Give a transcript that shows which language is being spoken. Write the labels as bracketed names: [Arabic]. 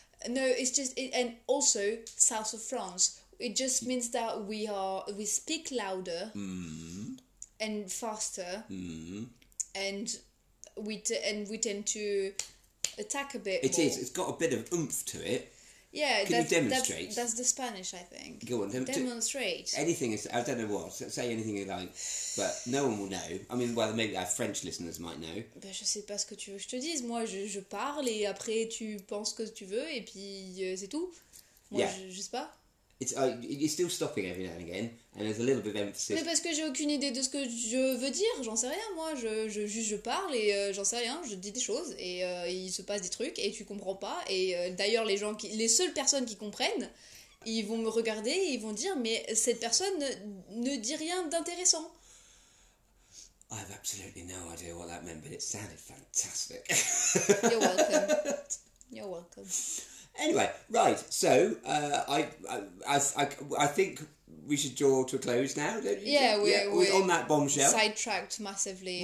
[English] No, it's just, and also south of France. It just means that we speak louder and faster, and we tend to attack a bit. It more. Is. It's got a bit of oomph to it. Yeah, can you demonstrate? That's the Spanish, I think. Go on, demonstrate. Anything is. I don't know what. Say anything you like, but no one will know. I mean, well, maybe our French listeners might know. [French] Ben, je sais pas ce que tu veux que je te dise. Moi, je parle et après tu penses ce que tu veux et puis c'est tout. Moi, [English] yeah. [French] Je sais pas. [English] It's. You're still stopping every now and again, and there's a little bit of emphasis. [French] Mais parce que j'ai aucune idée de ce que je veux dire. J'en sais rien. Moi, je parle et j'en sais rien. Je dis des choses et il se passe des trucs et tu comprends pas. Et d'ailleurs, les seules personnes qui comprennent, ils vont me regarder et ils vont dire, mais cette personne ne dit rien d'intéressant. [English] I have absolutely no idea what that meant, but it sounded fantastic. You're welcome. You're welcome. Anyway, right, so I think we should draw to a close now, don't you? Yeah, we're on that bombshell. Sidetracked massively.